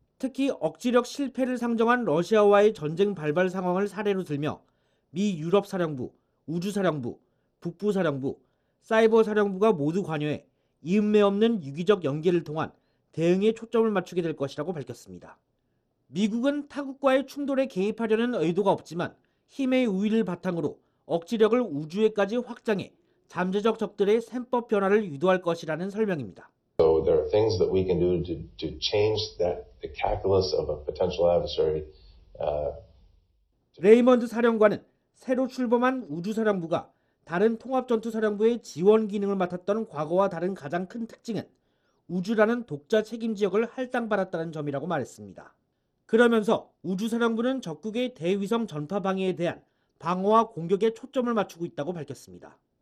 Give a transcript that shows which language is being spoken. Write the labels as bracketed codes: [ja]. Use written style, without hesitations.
[ko] 특히 억지력 실패를 상정한 러시아와의 전쟁 발발 상황을 사례로 들며 미 유럽사령부, 우주사령부, 북부사령부, 사이버사령부가 모두 관여해 이음매 없는 유기적 연계를 통한 대응에 초점을 맞추게 될 것이라고 밝혔습니다. 미국은 타국과의 충돌에 개입하려는 의도가 없지만 힘의 우위를 바탕으로 억지력을 우주에까지 확장해 잠재적 적들의 셈법 변화를 유도할 것이라는 설명입니다. [en] So there are things that we can do to change the calculus of a potential adversary. [ko] 레이먼드 사령관은 새로 출범한 우주사령부가 다른 통합전투사령부의 지원 기능을 맡았던 과거와 다른 가장 큰 특징은 우주라는 독자 책임 지역을 할당받았다는 점이라고 말했습니다. 그러면서 우주사령부는 적국의 대위성 전파 방해에 대한 방어와 공격에 초점을 맞추고 있다고 밝혔습니다.